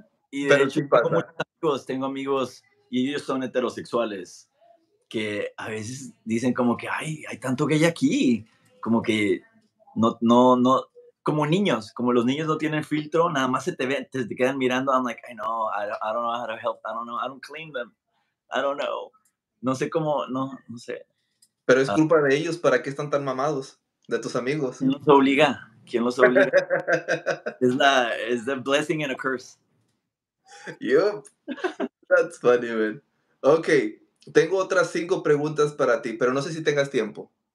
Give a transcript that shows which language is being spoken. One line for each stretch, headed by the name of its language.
Spanish: Y de hecho, tengo amigos y ellos son heterosexuales que a veces dicen como que, ay, hay tanto gay aquí. Como que no. Como niños, como los niños no tienen filtro, nada más se te ven, te quedan mirando.
English: I'm like, I know, I don't know how to help, I don't know, I don't clean them, I don't know.
Spanish: No sé cómo, no sé. Pero es culpa de ellos, ¿para qué están tan mamados? De tus amigos. ¿Quién los obliga? ¿Quién los obliga?
English: It's a blessing and a curse. Yup. That's funny, man.
Spanish: Ok, tengo otras 5 preguntas para ti, pero no sé si tengas tiempo.